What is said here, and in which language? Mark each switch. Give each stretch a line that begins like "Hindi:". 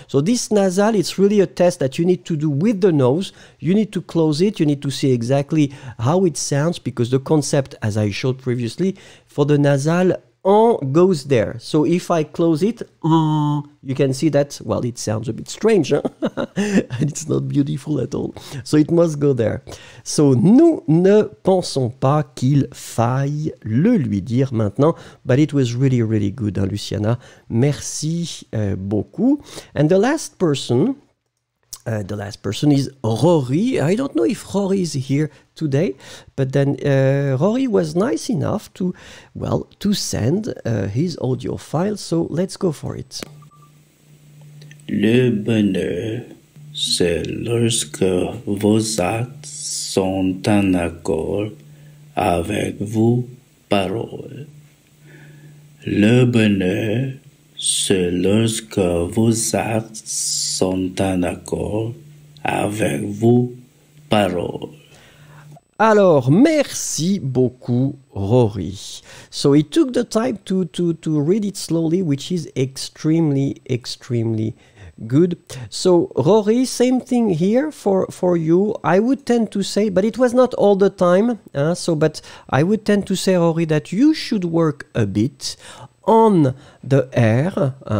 English: So this nasal, it's really a test that you need to do with the nose. You need to close it. You need to see exactly how it sounds because the concept, as I showed previously, for the nasal, on goes there. So if I close it, you can see that, well, it sounds a bit strange, huh? And it's not beautiful at all. So it must go there.
French: So nous ne pensons pas qu'il faille le lui dire maintenant.
English: But it was really, really good, hein, Luciana.
French: Merci beaucoup.
English: And the last person is Rory. I don't know if Rory is here today, but then Rory was nice enough to send his audio file. So let's go for it.
French: Le bonheur, c'est lorsque vos actes sont en accord avec vos paroles. Le bonheur, c'est lorsque vos actes sont en accord avec vos paroles. Alors, merci beaucoup, Rory.
English: So he took the time to read it slowly, which is extremely, extremely good. So, Rory, same thing here for you. I would tend to say, but it was not all the time. But I would tend to say, Rory, that you should work a bit on the air.